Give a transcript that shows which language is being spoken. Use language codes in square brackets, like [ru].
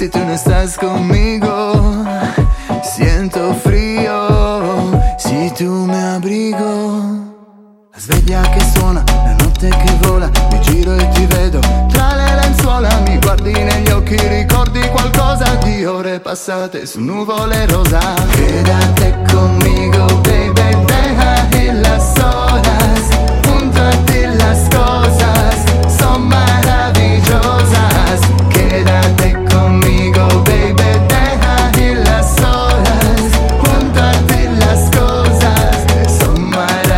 [es] estás conmigo, siento frío, si tú me abrigo. [it] La sveglia che suona, la notte che vola, mi giro e ti vedo tra le lenzuola. Mi guardi negli occhi, ricordi qualcosa di ore passate su nuvole rosa. [es] Quédate conmigo, baby, deja ir las solas, junto a ti las cosas son maravillosas. Quédate conmigo, baby, deja ir las solas, junto a ti las cosas son maravillosas.